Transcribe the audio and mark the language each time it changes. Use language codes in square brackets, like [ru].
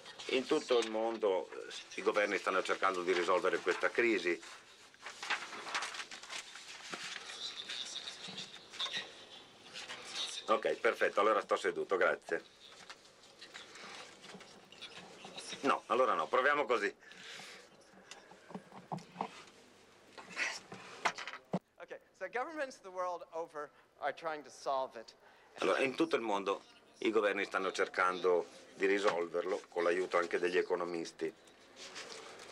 [it] In tutto il mondo i governi stanno cercando di risolvere questa crisi. Ok, perfetto, allora sto seduto, grazie. No, allora no, proviamo così. [en] Ok, so governments the world over are trying to solve it. [it] Allora, in tutto il mondo i governi stanno cercando di risolverlo, con l'aiuto anche degli economisti.